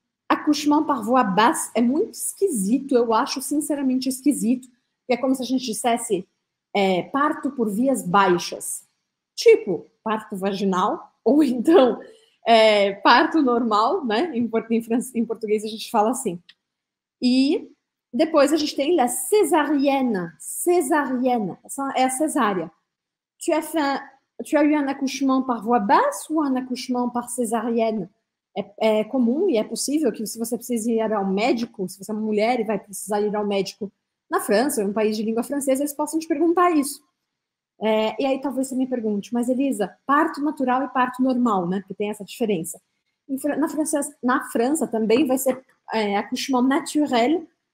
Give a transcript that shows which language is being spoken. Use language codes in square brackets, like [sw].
[fr] Accouchement par voie basse [pt] é muito esquisito, eu acho sinceramente esquisito, que é como se a gente dissesse parto por vias baixas, tipo parto vaginal, ou então parto normal, né? Em português a gente fala assim. E depois a gente tem [fr] la césarienne, césarienne, [pt] é a cesárea. [fr] Tu as eu um accouchement par voie basse ou um accouchement par cesárea? [pt] É comum e é possível que, se você precisa ir ao médico, se você é uma mulher e vai precisar ir ao médico na França, em um país de língua francesa, eles possam te perguntar isso. E aí talvez você me pergunte, mas Elisa, parto natural e parto normal, né? Porque tem essa diferença. Na França também vai ser [fr] accouchement naturel,